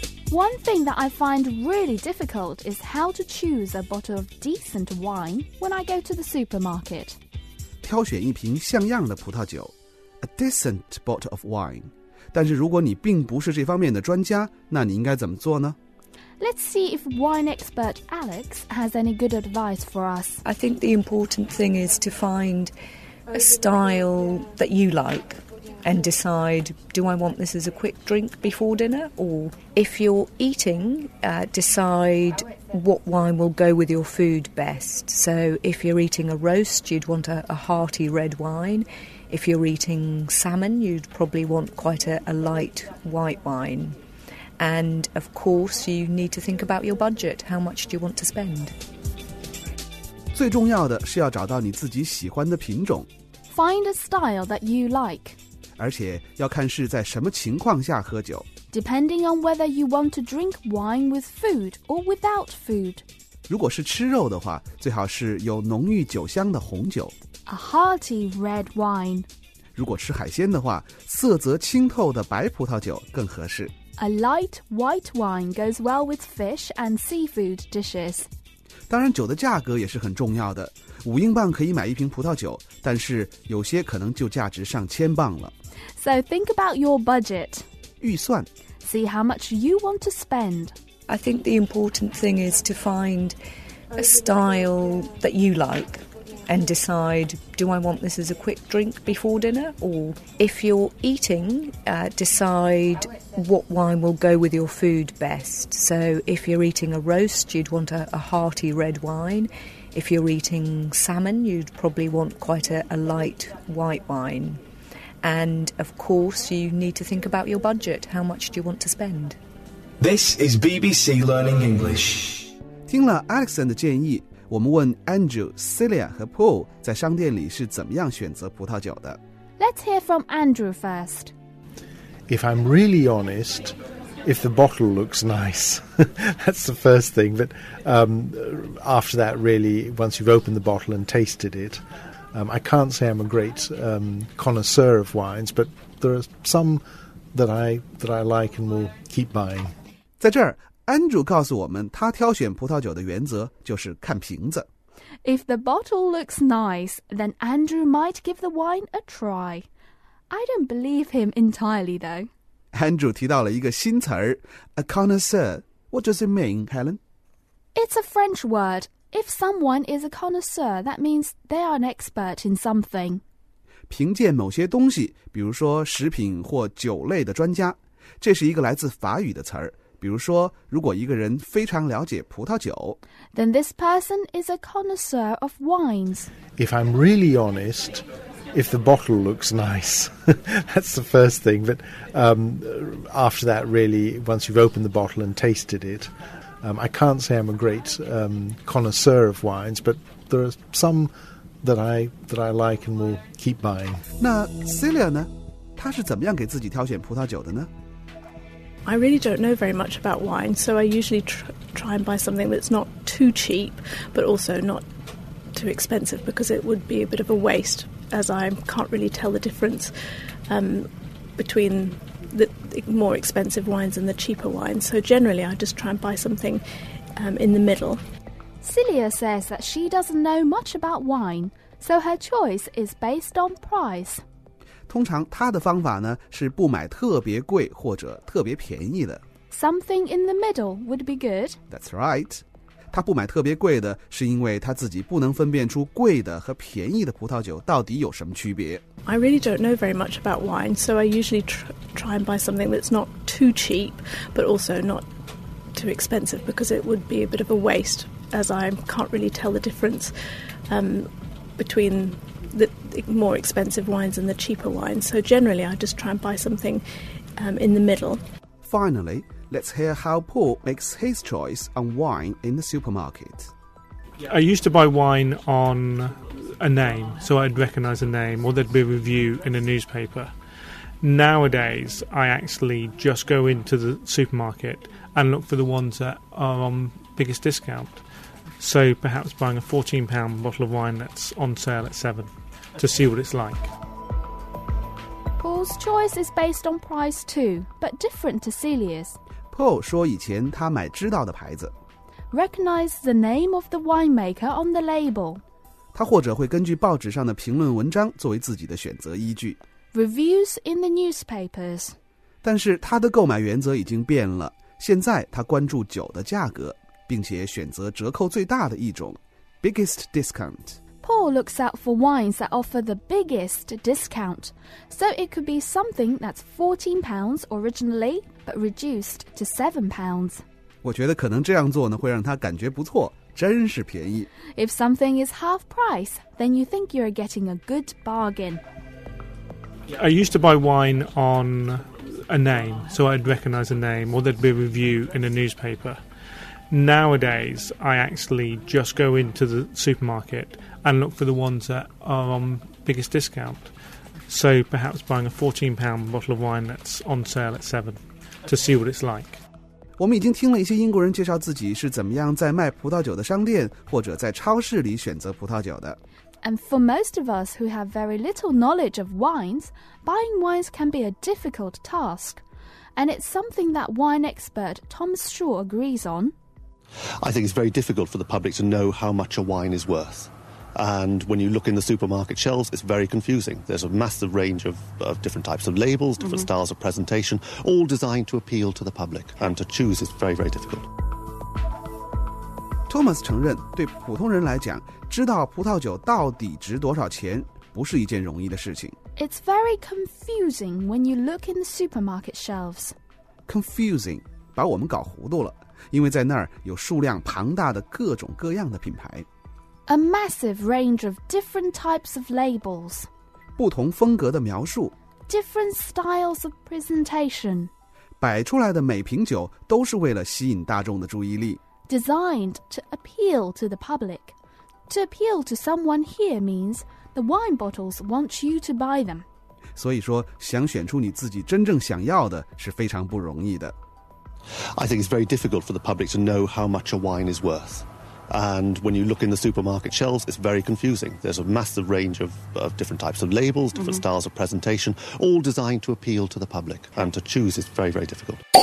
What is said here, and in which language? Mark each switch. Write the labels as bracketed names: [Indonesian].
[English] One thing that I find really difficult is how to choose a bottle of decent wine when I go to the supermarket. [Chinese] 挑选一瓶像样的葡萄酒 [English] a decent bottle of wine. [Chinese] 但是如果你并不是这方面的专家，那你应该怎么做呢？ [English] Let's see if wine expert Alex has any good advice for us. I think the important thing is to find a style that you like. and decide, do I want this as a quick drink before dinner? Or if you're eating, decide what wine will go with your food best. So if you're eating a roast, you'd want a hearty red wine. If you're eating salmon, you'd probably want quite a light white wine. And of course, you need to think about your budget. How much do you want to spend? [Chinese] 最重要的是要找到你自己喜欢的品种。 [English] Find a style that you like. [Chinese] 而且要看是在什么情况下喝酒。 [English] Depending on whether you want to drink wine with food or without food. [Chinese] 如果是吃肉的话，最好是有浓郁酒香的红酒。 [English] A hearty red wine. [Chinese] 如果吃海鲜的话，色泽清透的白葡萄酒更合适。 [English] A light white wine goes well with fish and seafood dishes. [Chinese] 当然酒的价格也是很重要的。五英镑可以买一瓶葡萄酒，但是有些可能就价值上千镑了。 [English] So think about your budget. [Chinese] 预算。 [English] See how much you want to spend. I think the important thing is to find a style that you like. And decide, do I want this as a quick drink before dinner? Or if you're eating, decide what wine will go with your food best. So if you're eating a roast, you'd want a hearty red wine. If you're eating salmon, you'd probably want quite a light white wine. And of course, you need to think about your budget. How much do you want to spend? This is BBC Learning English. [Chinese] 听了 Alexan 的建议。我们问 Andrew, Celia 和 Paul 在商店里是怎么样选择葡萄酒的。 [English] Let's hear from Andrew first. If I'm really honest, if the bottle looks nice, that's the first thing. But after that, really, once you've opened the bottle and tasted it, I can't say I'm a great connoisseur of wines, but there are some that I like and will keep buying. [Chinese] 在这儿Andrew 告诉我们他挑选葡萄酒的原则就是看瓶子。 [English] If the bottle looks nice, then Andrew might give the wine a try. I don't believe him entirely, though. [Chinese] Andrew 提到了一个新词儿 a connoisseur. [English] What does it mean, Helen? It's a French word. If someone is a connoisseur, that means they are an expert in something. [Chinese] 凭借某些东西，比如说食品或酒类的专家，这是一个来自法语的词儿。比如说，如果一个人非常了解葡萄酒 [English] ，Then this person is a connoisseur of wines. If I'm really honest, if the bottle looks nice, that's the first thing. But after that, really, once you've opened the bottle and tasted it, I can't say I'm a great connoisseur of wines. But there are some that I like and will keep buying. [Chinese] 那 Celia 呢？她是怎么样给自己挑选葡萄酒的呢？ [English] I really don't know very much about wine, so I usually try and buy something that's not too cheap, but also not too expensive, because it would be a bit of a waste, as I can't really tell the difference between the more expensive wines and the cheaper wines. So generally, I just try and buy something in the middle. Celia says that she doesn't know much about wine, so her choice is based on price. [Chinese] 通常他的方法呢是不买特别贵或者特别便宜的。 [English] Something in the middle would be good. That's right. [Chinese] 他不买特别贵的是因为他自己不能分辨出贵的和便宜的葡萄酒到底有什么区别。 [English] I really don't know very much about wine, so I usually try and buy something that's not too cheap, but also not too expensive, because it would be a bit of a waste, as I can't really tell the difference between... the more expensive wines and the cheaper wines. So generally, I just try and buy something in the middle. Finally, let's hear how Paul makes his choice on wine in the supermarket. I used to buy wine on a name, so I'd recognise a name, or there'd be a review in a newspaper. Nowadays, I actually just go into the supermarket and look for the ones that are on biggest discount. So perhaps buying a £14 bottle of wine that's on sale at £7. To see what it's like. Paul's choice is based on price too, but different to Celia's. [Chinese] Paul 说以前他买知道的牌子。 [English] Recognize the name of the winemaker on the label. [Chinese] 他或者会根据报纸上的评论文章作为自己的选择依据。 [English] Reviews in the newspapers. [Chinese] 但是他的购买原则已经变了。现在他关注酒的价格，并且选择折扣最大的一种 ， [English] biggest discount。 Paul looks out for wines that offer the biggest discount. So it could be something that's £14 originally, but reduced to £7. [Chinese] 我觉得可能这样做呢会让他感觉不错，真是便宜。 [English] If something is half price, then you think you're getting a good bargain. I used to buy wine on a name, so I'd recognize a name, or there'd be a review in a newspaper. Nowadays, I actually just go into the supermarket and look for the ones that are on biggest discount. So perhaps buying a £14 bottle of wine that's on sale at £7 to see what it's like. [Chinese] 我们已经听了一些英国人介绍自己是怎么样在卖葡萄酒的商店或者在超市里选择葡萄酒的。 [English] And for most of us who have very little knowledge of wines, buying wines can be a difficult task. And it's something that wine expert Tom Shaw agrees on. I think it's very difficult for the public to know how much a wine is worth. And when you look in the supermarket shelves, it's very confusing. There's a massive range of different types of labels, different styles of presentation, all designed to appeal to the public. And to choose is very, very difficult. [Chinese] Thomas 承认，对普通人来讲，知道葡萄酒到底值多少钱，不是一件容易的事情。 [English] It's very confusing when you look in the supermarket shelves. [Chinese] Confusing, 把我们搞糊涂了，因为在那儿有数量庞大的各种各样的品牌。 [English] A massive range of different types of labels. [Chinese] 不同风格的描述。 [English] Different styles of presentation. [Chinese] 摆出来的每瓶酒都是为了吸引大众的注意力。 [English] Designed to appeal to the public. To appeal to someone here means the wine bottles want you to buy them. [Chinese] 所以说，想选出你自己真正想要的是非常不容易的。 [English] I think it's very difficult for the public to know how much a wine is worth. And when you look in the supermarket shelves, it's very confusing. There's a massive range of different types of labels, different styles of presentation, all designed to appeal to the public. And to choose is very, very difficult.